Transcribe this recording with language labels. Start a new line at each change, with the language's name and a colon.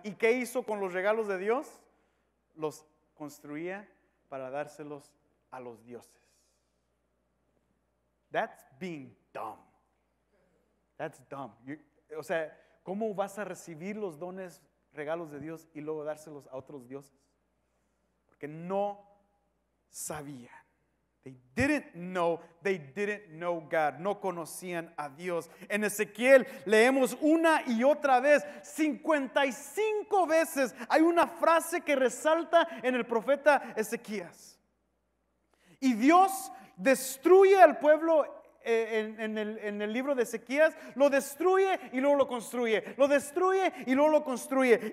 Spanish: ¿Y qué hizo con los regalos de Dios? Los construía para dárselos a los dioses.
English: That's being dumb. That's dumb.
Spanish: O sea, ¿cómo vas a recibir los dones regalos de Dios y luego dárselos a otros dioses? Porque no sabían.
English: They didn't know, they didn't know God.
Spanish: No conocían a Dios. En Ezequiel leemos una y otra vez, 55 veces hay una frase que resalta en el profeta Ezequías. Y Dios destruye al pueblo en el libro de Ezequías, lo destruye y luego lo construye, lo destruye y luego lo construye.